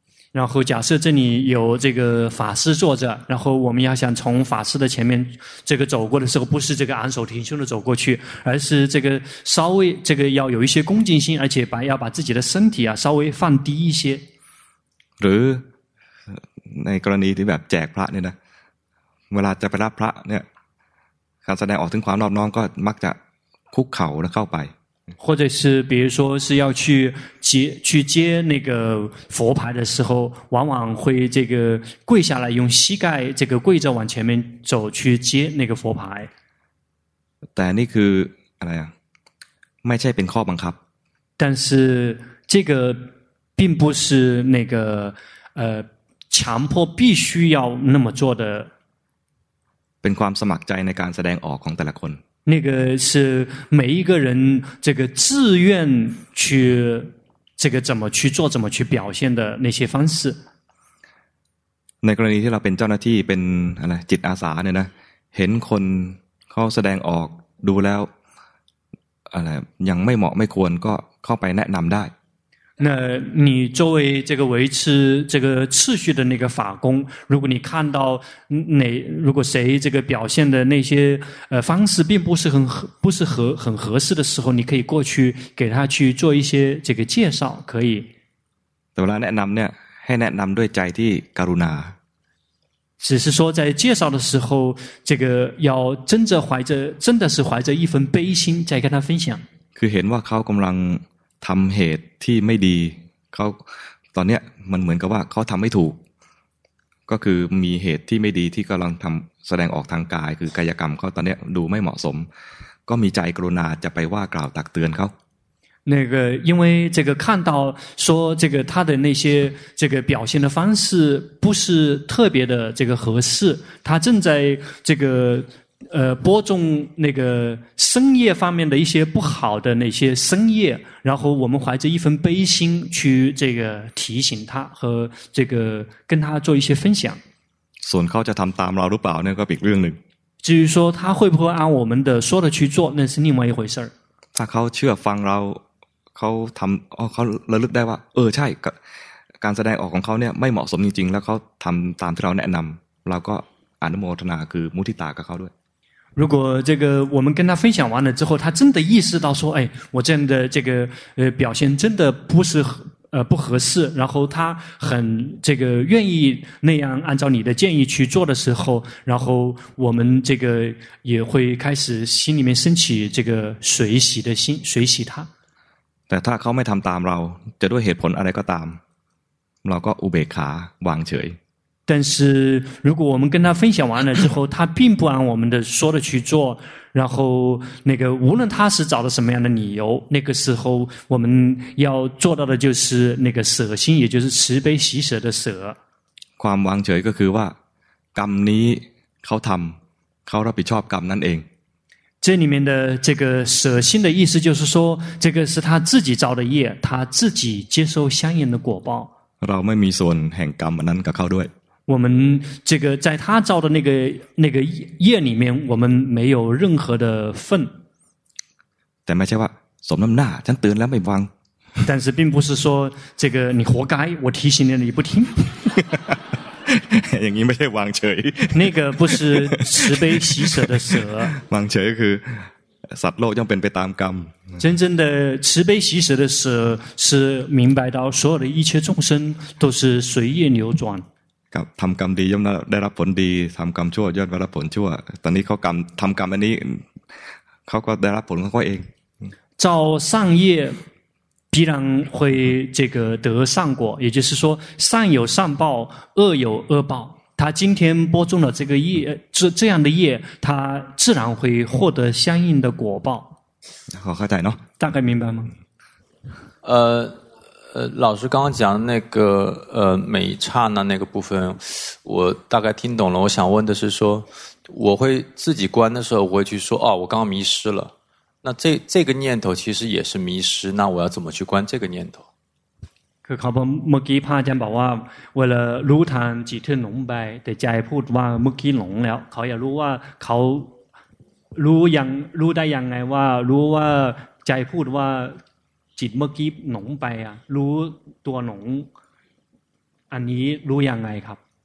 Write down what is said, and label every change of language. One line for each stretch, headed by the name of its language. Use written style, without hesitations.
Chinese: 然后假设这里有这个法师坐着然后我们要想从法师的前面这个走过的时候不是这个昂首挺胸的走过去而是这个稍微这个要有一些恭敬心而且要把自己的身体啊稍微放低一些
Thai: หรือในกรณีที่แบบแจกพระเนี่ยนะเวลาจะไปรับพระเนี่ยการแสดงออกถึงความนอบน้อมก็มักจะคุกเข่าแล้วเข้าไป
Chinese: 或者是比如说是要去接那个佛牌的时候往往会这个跪下来用膝盖这个跪着往前面走去接那个佛牌
Thai: แต่นี่คืออะไรอ่ะไม่ใช่เป็นข้อบังคับ
Chinese: 但是这个并不是那个强迫必须要那么做的。
Thai: เป็นความสมัครใจในการแสดงออกของแต่ละคน
Chinese: 那个是每一个人这个自愿去这个怎么去做怎么去表现的那些方式
Thai: ในกรณีที่เราเป็นเจ้าหน้าที่เป็นอะไรจิตอาสาเนี่ยนะเห็นคนเขาแสดงออกดูแล้วอะไรยังไม่เหมาะไม่ควรก็เข้าไปแนะนำได้
Chinese: 那你作为这个维持这个秩序的那个法工，如果你看到哪，如果谁这个表现的那些方式并不是很合适的时候，你可以过去给他去做一些这个介绍，可以。
Thai: แต่เวลาแนะนำเนี่ยให้แนะนำด้วยใจที่กรุณา。
Chinese: 只是说在介绍的时候，这个要真的怀着真的是怀着一份悲心在跟他分享。
Thai: คือเห็นว่าเขากำลังทำเหตุที่ไม่ดีเขาตอนนี้มันเหมือนกับว่าเขาทำไม่ถูกก็คือมีเหตุที่ไม่ดีที่กำลังทำแสดงออกทางกายคือกายกรรมเขาตอนนี้ดูไม่เหมาะสมก็มีใจกรุณาจะไปว่ากล่าวตักเตือนเขา
Chinese: 那个因为这个看到说这个他的那些这个表现的方式不是特别的这个合适他正在这个播种那个生业方面的一些不好的那些生业，然后我们怀着一份悲心去这个提醒他和这个跟他做一些分享。
Thai: ส่วนเขาจะทำตามเราหรือเปล่าเนี่ยก็เป็นเรื่องหนึ่ง。
Chinese: 至于说他会不会按我们的说的去做，那是另外一回事儿。
Thai: ถ้าเขาเชื่อฟังเราเขาทำเขาระลึกได้ว่าเออใช่การแสดงออกของเขาเนี่ยไม่เหมาะสมจริงๆแล้วเขาทำตามที่เราแนะนำเราก็อนุโมทนาคือมุทิตากับเขาด้วย。
Chinese: 如果这个我们跟他分享完了之后，他真的意识到说，哎，我这样的这个表现真的不是不合适，然后他很这个愿意那样按照你的建议去做的时候，然后我们这个也会开始心里面升起这个随喜的心，随喜他。
Thai: แต่ถ้าเขาไม่ทำตามเราจะด้วยเหตุผลอะไรก็ตามเราก็อุเบกขาวางเฉย
Chinese: 但是如果我们跟他分享完了之后他并不按我们的说的去做然后那个无论他是找了什么样的理由那个时候我们要做到的就是那个舍心也就是慈悲喜舍的舍
Thai: ความวางเฉยก็คือว่ากรรมนี้เขาทำเขารับผิดชอบกรรมนั่นเอง
Chinese: 这里面的这个舍心的意思就是说这个是他自己造的业他自己接受相应的果报
Thai: เราไม่มีส่วนแห่งกรรมนั้นกับเขาด้วย
Chinese: 我们这个在他造的那个业里面，我们没有任何的份。
Thai: แต่ไม่ใช่ว่าสมน้ำหน้าฉันเตือนแล้วไม่ฟัง。
Chinese: 但是并不是说这个你活该，我提醒了你不听。
Thai: อย่างนี้ไม่ใช่วางเฉย。
Chinese: 那个不是慈悲喜舍的舍。
Thai: วางเฉยคือสัตว์โลกย่อมเป็นไปตามกรรม。
Chinese: 真正的慈悲喜舍的舍是明白到所有的一切众生都是随业流转。
Thai: ทำกรรมดีย่อมได้รับผลดีทำกรรมชั่วย่อมได้รับผลชั่วตอนนี้เขากรรมทำกรรมอันนี้เขาก็ได้รับผลของเขาเอง
Chinese: 造善业必然会这个得善果也就是说善有善报恶有恶报他今天播种了这个业这样的业他自然会获得相应的果报好好再喏大概明白吗老师刚刚讲那个每一刹那那个部分我大概听懂了我想问的是说我会自己观的时候我会去说哦我刚刚迷失了那这个念头其实也是迷失那我要怎么去观这个念头
Thai: คือเขาเมื่อกี้พระอาจารย์บอกว่าเวลารู้ทันจิตที่หลงไปแต่ใจพูดว่าเมื่อกี้หลงแล้วเขาอยากรู้ว่าเขารู้ยังรู้ได้ยังไงว่ารู้ว่าใจพูดว่าจิตเมื่อกี้หลงไปอ่ะรู้ตัวหลงอันนี้รู้ยังไงครับ